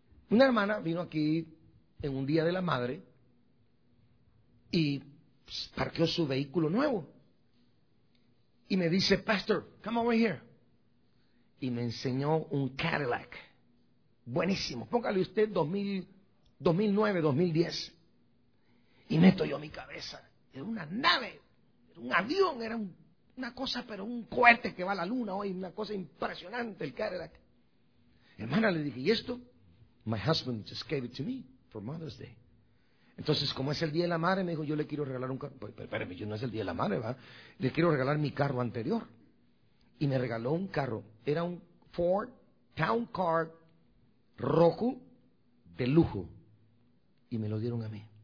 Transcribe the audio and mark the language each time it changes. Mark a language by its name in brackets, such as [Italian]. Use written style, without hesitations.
[Spanish] Una hermana vino aquí en un día de la madre y parqueó su vehículo nuevo. Y me dice, Pastor, [English] come over here. [Spanish] Y me enseñó un Cadillac. Buenísimo. Póngale usted 2009, 2010. Y meto yo mi cabeza. Era una nave, era un avión, era una cosa, pero un cohete que va a la luna hoy, una cosa impresionante, el Cadillac. Hermana, le dije, ¿y esto? [English] My husband just gave it to me for Mother's Day. [Spanish] Entonces, como es el Día de la Madre, me dijo, yo le quiero regalar un carro. Pues, espérame, yo no es el Día de la Madre, ¿va? Le quiero regalar mi carro anterior. Y me regaló un carro. Era un Ford Town Car rojo, de lujo, y me lo dieron a mí.